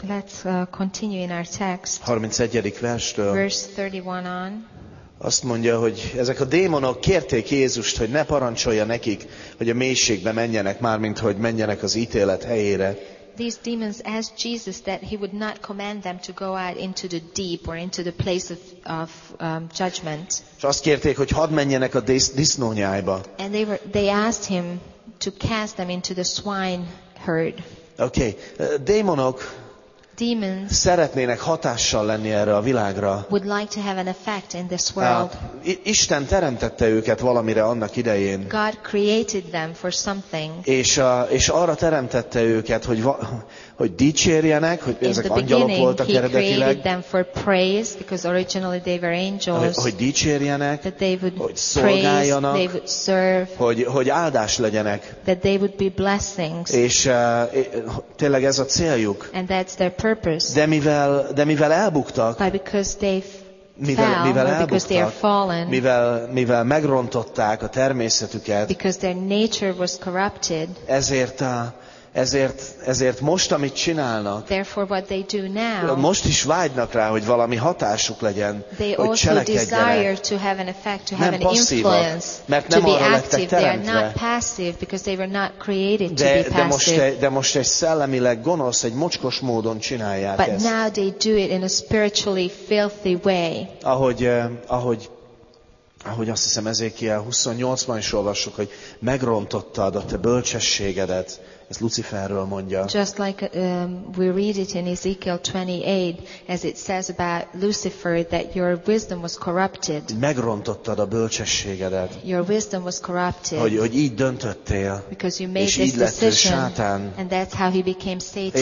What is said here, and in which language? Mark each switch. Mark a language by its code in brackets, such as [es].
[en] Let's continue in our text. [hu] 31. verstől. [en] Verse 31 on. [hu] Azt mondja, hogy ezek a démonok kérték Jézust, hogy ne parancsolja nekik, hogy a mélységbe menjenek, mármint hogy menjenek az ítélet helyére. [en] These demons asked Jesus that he would not command them to go out into the deep or into the place of judgment. [hu] És azt kérték, hogy hadd menjenek a disznónyájba. [en] And they asked him to cast them into the swine herd. Okay, [hu] démonok [en] demons [hu] szeretnének hatással lenni erre a világra. [en] Would like to have an effect in this world. [hu] Isten teremtette őket valamire annak idején. [en] God created them for something. [hu] És arra teremtette őket, hogy dicsérjenek, hogy ezek angyalok voltak eredetileg. [en] Created them for praise because originally they were angels. [hu] Hogy dicsérjenek, [en] that they would [hu] hogy szolgáljanak, [en] praise, they would serve, [hu] hogy áldás legyenek. [en] That they would be blessings. [hu] És tényleg ez a céljuk. [en] And that's their purpose. [hu] De mivel elbuktak, [en] but because they've [hu] mivel [en] fell, because they are fallen, [hu] mivel megrontották a természetüket, [en] because their nature was corrupted, [hu] ezért Ezért most, amit csinálnak, [en] therefore what they do now, [hu] most is vágynak rá, hogy valami hatásuk legyen, [en] they [hu] hogy cselekedjenek. [en] To have an effect, to [hu] nem passzívak, mert nem arra lettek teremtve. De most egy szellemileg gonosz, egy mocskos módon csinálják [en] but [hu] ezt. [en] Now they do it in a spiritually filthy way. [hu] Ahogy azt hiszem, Ezékiel 28-ban is olvassuk, hogy megrontottad a te bölcsességedet. Ez Luciferről mondja. [en] Just like we read it in Ezekiel 28, as it says about Lucifer, that your wisdom was corrupted. [hu] Megrontottad a bölcsességedet. [en] Your wisdom was corrupted. [hu] Hogy így döntöttél. [en] Because you made [hu] és [en] this [hu] így lettél Sátán. [en] And that's how he became Satan.